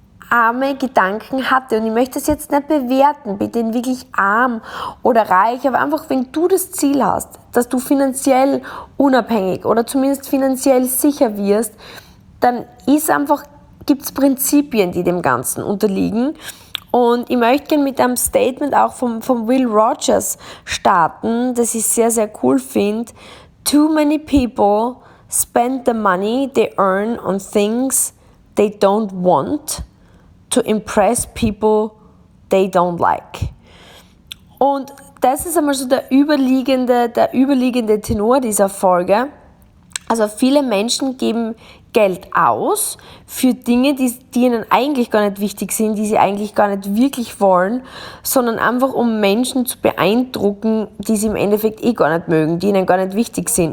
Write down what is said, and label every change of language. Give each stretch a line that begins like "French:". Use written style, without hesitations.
German: arme Gedanken hatte. Und ich möchte es jetzt nicht bewerten, bin denn wirklich arm oder reich, aber einfach, wenn du das Ziel hast, dass du finanziell unabhängig oder zumindest finanziell sicher wirst, dann ist einfach, gibt es Prinzipien, die dem Ganzen unterliegen. Und ich möchte gerne mit einem Statement auch von Will Rogers starten, das ich sehr, sehr cool finde.
English: Too many people spend the money they earn on things they don't want to impress people they don't like.
German: Und das ist einmal so der überliegende Tenor dieser Folge. Also viele Menschen geben Geld aus für Dinge, die ihnen eigentlich gar nicht wichtig sind, die sie eigentlich gar nicht wirklich wollen, sondern einfach um Menschen zu beeindrucken, die sie im Endeffekt eh gar nicht mögen, die ihnen gar nicht wichtig sind.